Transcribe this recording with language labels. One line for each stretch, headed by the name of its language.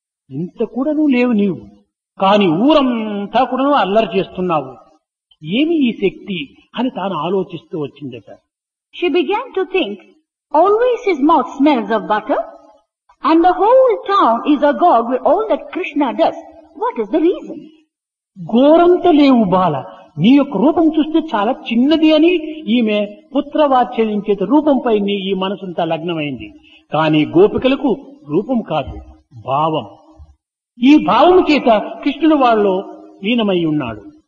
Telugu: ఇంత కూడా నువ్వు లేవు నీవు, కాని ఊరంతా కూడా నువ్వు అల్లరి చేస్తున్నావు, ఏమి ఈ శక్తి అని తాను ఆలోచిస్తూ వచ్చిందట.
English: She began to think, always his mouth smells of butter and the whole town is agog with all that Krishna does. What is the reason?
Telugu: ఘోరంత లేవు బాల, నీ యొక్క రూపం చూస్తే చాలా చిన్నది అని ఈమె పుత్రవాత్సల్యం చేత రూపంపై ఈ మనసంతా లగ్నమైంది. కాని గోపికలకు రూపం కాదు, భావం. ఈ భావము చేత కృష్ణుడు వాళ్ళలో లీనమై ఉన్నాడు.